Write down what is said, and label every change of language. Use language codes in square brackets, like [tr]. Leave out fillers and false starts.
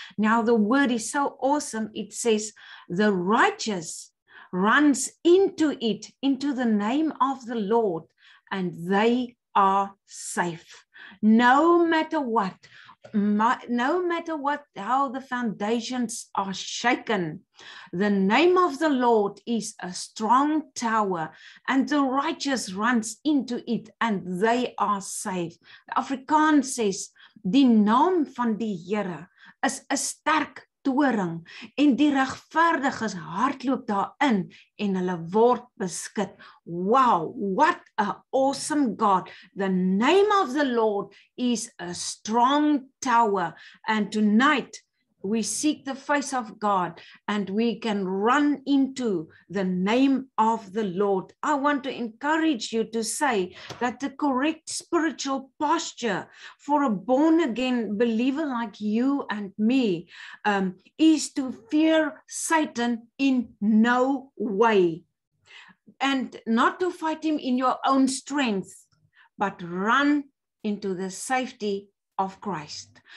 [en] Now, the word is so awesome. It says the righteous runs into it, into the name of the Lord, and they are safe. No matter what, no matter what, how the foundations are shaken, the name of the Lord is a strong tower, and the righteous runs into it, and they are safe. Afrikaans says, [af] die naam van die Here is 'n sterk toring en die regverdiges hardloop daarin en hulle word beskut. [en] Wow, what an awesome God. The name of the Lord is a strong tower. And tonight, we seek the face of God and we can run into the name of the Lord. I want to encourage you to say that the correct spiritual posture for a born again believer like you and me is to fear Satan in no way, and not to fight him in your own strength, but run into the safety of Christ.